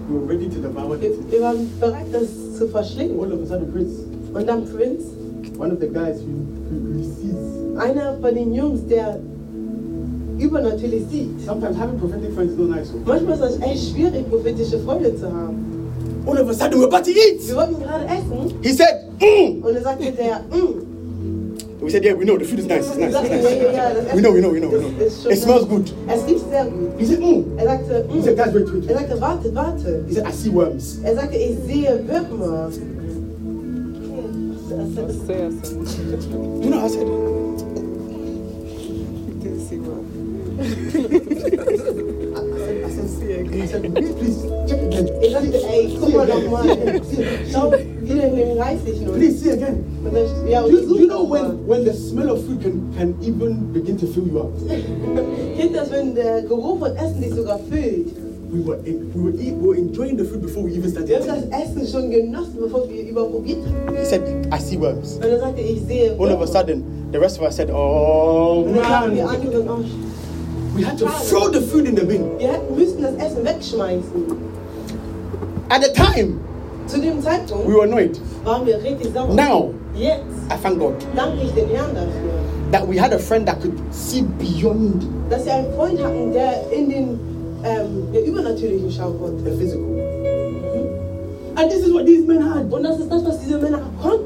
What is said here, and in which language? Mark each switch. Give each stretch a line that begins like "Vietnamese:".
English: We were ready to devour it.
German: Wir waren bereit, das zu verschlingen.
English: All of a sudden, Prince.
German: Und dann Prince.
English: One of the guys who sees.
German: Einer von den Jungs, der übernatürlich sieht.
English: Sometimes having prophetic friends is not nice.
German: Manchmal ist es echt schwierig, prophetische Freunde zu haben.
English: All of a sudden, we're about to eat.
German: Wir wollten gerade essen.
English: He said,
German: Und er sagte,
English: We said, yeah, we know, the food is nice, it's nice, it's nice. We know. It smells good.
German: Es riecht sehr gut.
English: He said,
German: Er sagte,
English: He said, guys, wait.
German: Er sagte, warte.
English: He said, I see worms.
German: Er sagte, ich sehe Würmer.
English: You know what I said? You didn't see well. I said, Hey, come on, come on. Please, see again. You know when the smell of food can even begin to fill you up?
German: Kinders,
English: when the
German: Geruch von Essen dich sogar füllt.
English: We were enjoying the food before we even started.
German: Wir haben das Essen schon genossen, bevor wir überhaupt probiert haben.
English: He said, I see worms.
German: Und er sagte, ich sehe Würmer.
English: All of a sudden, the rest of us said, oh, man. We had to throw the food in the bin.
German: Wir müssen das Essen wegschmeißen.
English: At the time,
German: zu dem Zeitpunkt,
English: we were annoyed.
German: Waren wir richtig sauer.
English: Now,
German: jetzt,
English: I thank God.
German: Danke ich den Herrn dafür.
English: That we had a friend that could see beyond.
German: Dass wir einen Freund hatten, der in den der übernatürliche Schaukort,
English: the physical. And this is what these men had.
German: Und das ist das, was diese Männer konnten.